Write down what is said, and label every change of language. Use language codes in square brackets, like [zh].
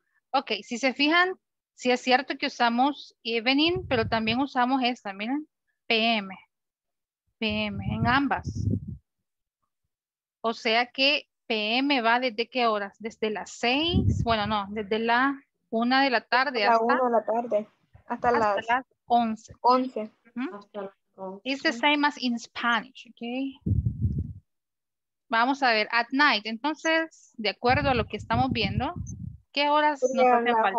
[es] Ok, si se fijan, sí es cierto que usamos evening, pero también usamos esta, miren, PM. PM en ambas. O sea que PM va desde qué horas, desde las 6, bueno no, desde la 1 de la tarde hasta... La 1 de la tarde, hasta las 11. 11. Mm-hmm. Hasta las 11. [en] It's the same as in Spanish, ok. [es] Vamos a ver, at night, entonces, de acuerdo a lo que estamos viendo, ¿qué horas nos hacen falta?